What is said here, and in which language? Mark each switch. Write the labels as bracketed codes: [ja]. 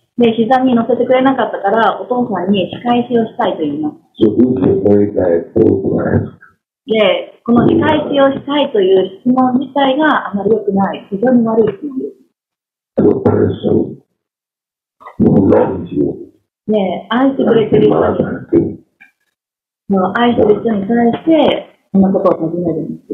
[ja] で膝に乗せてくれなかったからお父さんに仕返しをしたいと言います。 [en] So、this is very bad thought to ask. [ja] でこの仕返しをしたいという質問自体があまり良くない、非常に悪い質問です。 [en] A person who loves you. [ja] で愛してくれてる人に、その愛してる人に対してこんなことを尋ねるんです。